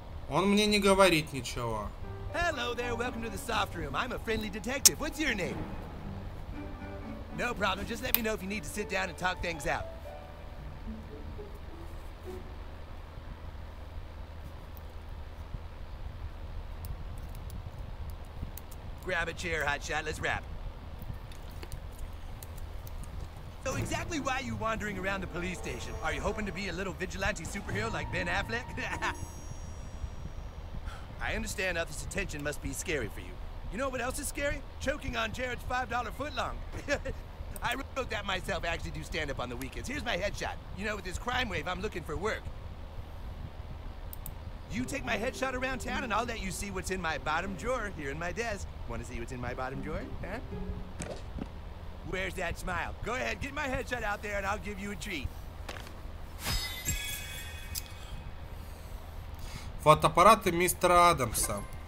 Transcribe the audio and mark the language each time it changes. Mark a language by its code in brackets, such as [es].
[ru] Он мне не говорит ничего. [en] Hello there, welcome to the soft room. I'm a friendly detective. What's your name? No problem, just let me know if you need to sit down and talk things out. Grab a chair, hotshot. Let's wrap. So exactly why are you wandering around the police station? Are you hoping to be a little vigilante superhero like Ben Affleck? I understand how this attention must be scary for you. You know what else is scary? Choking on Jared's $5 footlong. I wrote that myself. I actually do stand-up on the weekends. Here's my headshot. You know, with this crime wave, I'm looking for work. You take my headshot around town, and I'll let you see what's in my bottom drawer here in my desk. Want to see what's in my bottom drawer? Huh? Where's that smile? Go ahead, get my headshot out there, and I'll give you a treat. [ru] Фотоаппараты мистера Адамса.